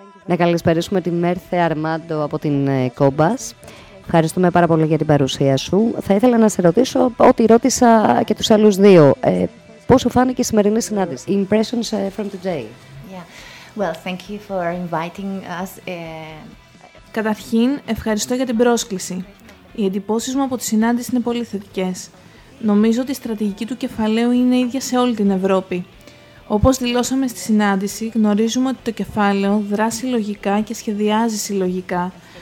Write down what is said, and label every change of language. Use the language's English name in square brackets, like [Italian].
[Greek] Να καλησπερίσουμε τη Μέρθε Αρμάντο από την Κόμπας. Ευχαριστούμε πάρα πολύ για την παρουσία σου. Θα ήθελα να σε ρωτήσω ό,τι ρώτησα και τους άλλους δύο. Πώς σου φάνηκε η σημερινή συνάντηση? [English] Impressions from today. Yeah. Well, thank you for inviting us. [Greek] Καταρχήν, ευχαριστώ για την πρόσκληση. Οι εντυπώσεις μου από τη συνάντηση είναι πολύ θετικές. Νομίζω ότι η στρατηγική του κεφαλαίου είναι ίδια σε όλη την Ευρώπη. Όπως δηλώσαμε στη συνάντηση, γνωρίζουμε ότι το κεφάλαιο δράσει συλλογικά και σχεδιάζει συλλογικά.